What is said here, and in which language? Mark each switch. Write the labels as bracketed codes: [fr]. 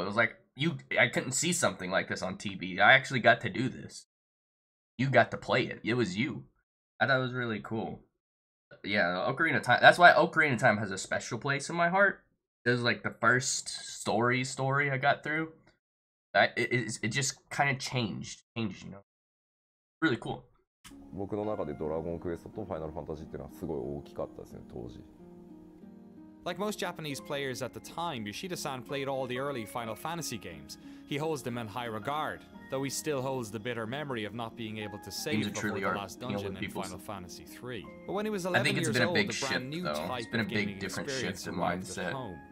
[en] It was like, I couldn't see something like this on TV. I actually got to do this. You got to play it. It was you. I thought it was really cool. Yeah, Ocarina of Time. That's why Ocarina of Time has a special place in my heart. It was like the first story I got through. It just kind of changed, you know. Really cool. [ja] 僕の中でドラゴンクエストとファイナルファンタジーっていうのはすごい大きかったですね、当時。 [en] Like most Japanese players at the time, Yoshida-san played all the early Final Fantasy games. He holds them in high regard, though he still holds the bitter memory of not being able to save before the last dungeon in Final Fantasy 3. But when he was 11 years old, the brand new type of gaming experience arrived at home.